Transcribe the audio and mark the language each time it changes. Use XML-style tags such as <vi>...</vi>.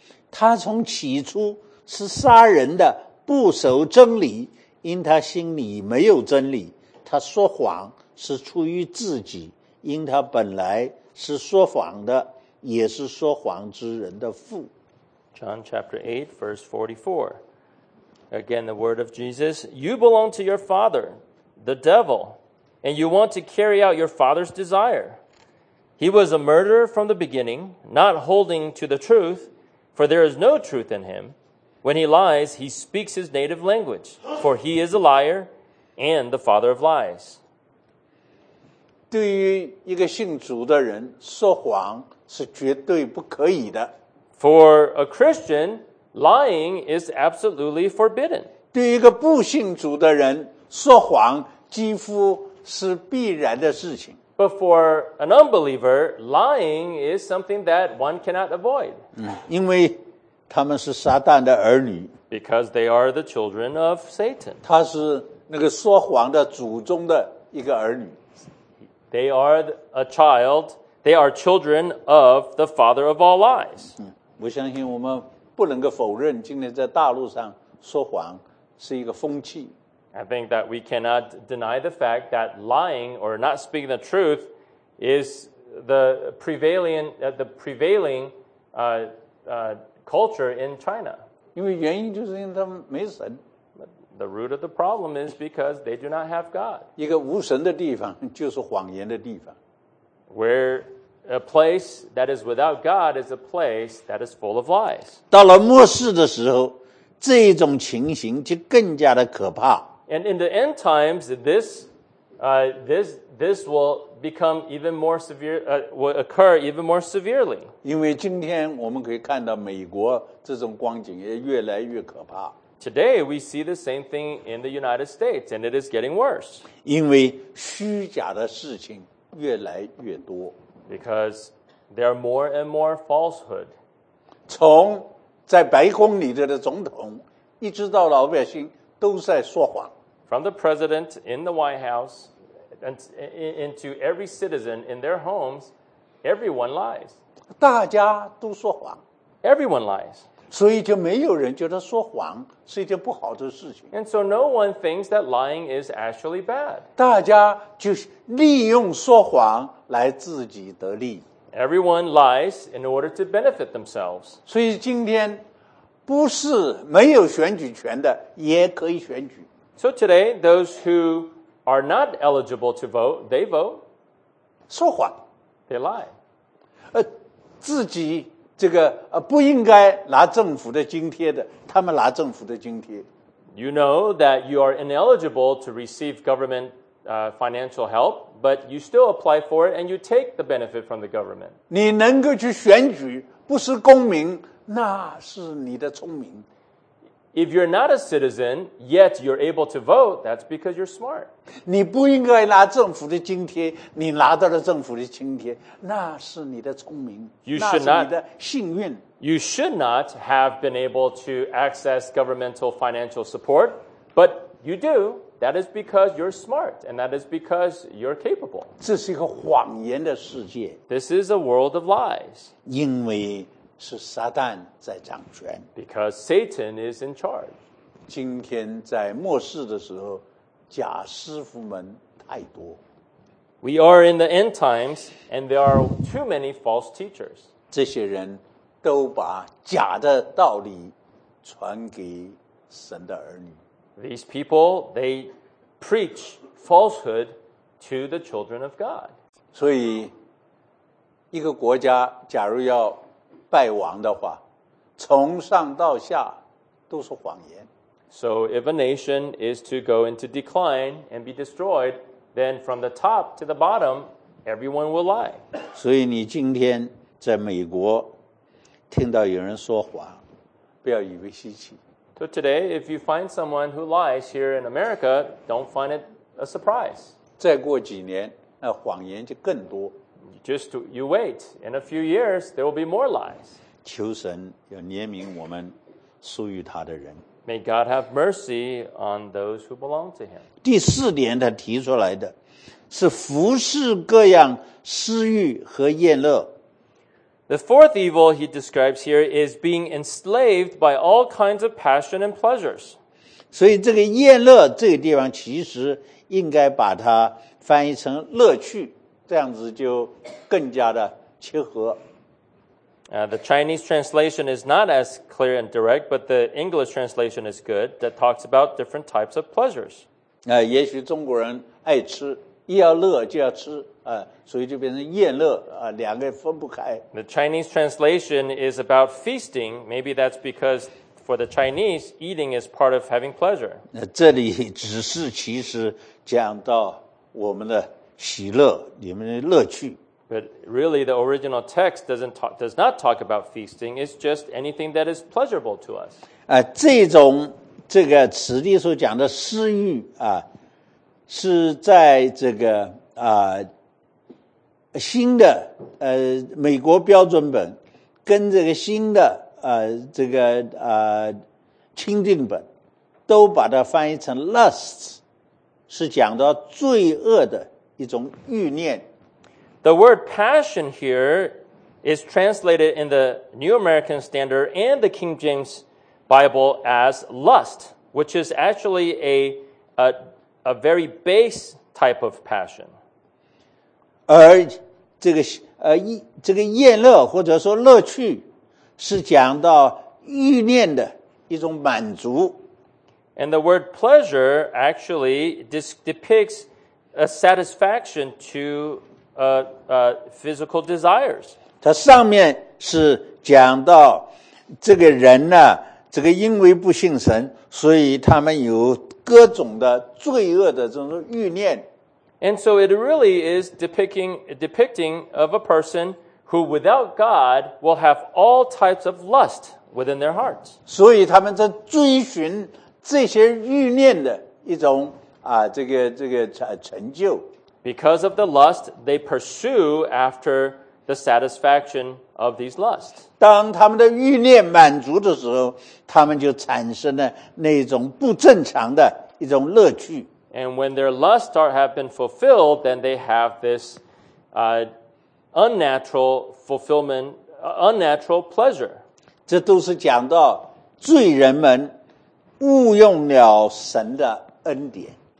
<zh>他从起初是杀人的，不守真理，因他心里没有真理。他说谎是出于自己，因他本来是说谎的，也是说谎之人的父。</zh> <en>John chapter 8, verse 44. Again, the word of Jesus, you belong to your father, the devil. And you want to carry out your father's desire. He was a murderer from the beginning, not holding to the truth, for there is no truth in him. When he lies, he speaks his native language, for he is a liar and the father of lies.</en> <zh>对于一个信主的人说谎是绝对不可以的。</zh> <en>For a Christian, lying is absolutely forbidden.</en> <zh>对一个不信主的人说谎几乎是必然的事情。</zh> <en>But for an unbeliever, lying is something that one cannot avoid.</en> <zh>因为他们是撒旦的儿女。</zh> <en>Because they are the children of Satan.</en> <zh>他是那个说谎的祖宗的一个儿女。</zh> <en>They are a child, they are children of the father of all lies.</en> <zh>我相信我们不能够否认今天在大陆上说谎是一个风气。</zh> <en>I think that we cannot deny the fact that lying or not speaking the truth is the prevailing culture in China.</en> <zh>因为原因就是因为他们没神。</zh> <en>The root of the problem is because they do not have God.</en> <zh>一个无神的地方就是谎言的地方。</zh> <en>Where a place that is without God is a place that is full of lies.</en> <zh>到了末世的时候，这种情形就更加的可怕。</zh> <en>And in the end times, this will become even more severe, will occur even more severely.</en> <zh>因为今天我们可以看到美国这种光景也越来越可怕。</zh> <en>Today, we see the same thing in the United States, and it is getting worse.</en> <zh>因为虚假的事情越来越多。</zh> <en>Because there are more and more falsehood.</en> <zh>从在白宫里的总统一直到老百姓都在说谎。</zh> <en>From the president in the White House and into every citizen in their homes, everyone lies.</en> <zh>大家都说谎。</zh> <en>Everyone lies.</en> <zh>所以就没有人觉得说谎是一件不好的事情。</zh> <en>And so no one thinks that lying is actually bad.</en> <zh>大家就利用说谎来自己得利。</zh> <en>Everyone lies in order to benefit themselves.</en> <zh>所以今天不是没有选举权的也可以选举。</zh> <en>So today, those who are not eligible to vote, they vote.</en> <zh>说谎。</zh> <en>They lie.</en> <zh>自己这个不应该拿政府的津贴的，他们拿政府的津贴。</zh> <en>You know that you are ineligible to receive government financial help, but you still apply for it and you take the benefit from the government.</en> <zh>你能够去选举，不是公民，那是你的聪明。</zh> <en>If you're not a citizen, yet you're able to vote, that's because you're smart.</en> <zh>你不应该拿政府的津贴，你拿到了政府的津贴，那是你的聪明，那是你的幸运。</zh> <en>You should not have been able to access governmental financial support, but you do. That is because you're smart, and that is because you're capable.</en> <zh>这是一个谎言的世界。</zh> <en>This is a world of lies.</en> <zh>因为是撒旦在掌权。</zh> <en>Because Satan is in charge.</en> <zh>今天在末世的时候，假师傅们太多。</zh> <en>We are in the end times, and there are too many false teachers.</en> <zh>这些人都把假的道理传给神的儿女。</zh> <en>These people, they preach falsehood to the children of God.</en> <zh>所以，一个国家假如要败亡的话，从上到下都是谎言。</zh> <en>So if a nation is to go into decline and be destroyed, then from the top to the bottom, everyone will lie.</en> <zh>所以你今天在美国听到有人说谎，不要以为稀奇。</zh> <en>So today, if you find someone who lies here in America, don't find it a surprise.</en> <zh>再过几年，那谎言就更多。</zh> <en>Just you wait. In a few years, there will be more lies.</en> <zh>求神要怜悯我们属于他的人。</zh> <en>May God have mercy on those who belong to him.</en> <zh>第四点他提出来的是服侍各样私欲和宴乐。</zh> <en>The fourth evil he describes here is being enslaved by all kinds of passion and pleasures.</en> <zh>所以这个宴乐这个地方其实应该把它翻译成乐趣。这样子就更加的切合。</zh> <en>The Chinese translation is not as clear and direct, but the English translation is good that talks about different types of pleasures.</en> <zh>也许中国人爱吃，一要乐就要吃，所以就变成宴乐，两个分不开。</zh> <en>The Chinese translation is about feasting. Maybe that's because for the Chinese, eating is part of having pleasure.</en> <zh>这里只是其实讲到我们的喜乐，你们的乐趣。</zh> <en>But really, the original text does not talk about feasting. It's just anything that is pleasurable to us.</en> <zh>这种这个此地所讲的私欲啊，是在这个啊新的美国标准本跟这个新的这个钦定本都把它翻译成 lusts， 是讲到罪恶的一种欲念。</zh> <en>The word passion here is translated in the New American Standard and the King James Bible as lust, which is actually a very base type of passion.</en> <zh>而这个这个宴乐或者说乐趣是讲到欲念的一种满足。</zh> <en>And the word pleasure actually depicts a satisfaction to physical desires.</en> <zh>它上面是讲到这个人呢，这个因为不信神，所以他们有各种的罪恶的这种欲念。</zh> <en>And so it really is depicting of a person who without God will have all types of lust within their hearts.</en> <zh>所以他们在追寻这些欲念的一种啊，这个成就。</zh> <en>Because of the lust, they pursue after the satisfaction of these lusts.</en> <zh>当他们的欲念满足的时候，他们就产生了那种不正常的一种乐趣。</zh> <en>And when their lusts have been fulfilled, then they have this unnatural fulfillment, unnatural pleasure.</en> <zh>这都是讲到罪人们误用了神的恩典。</zh>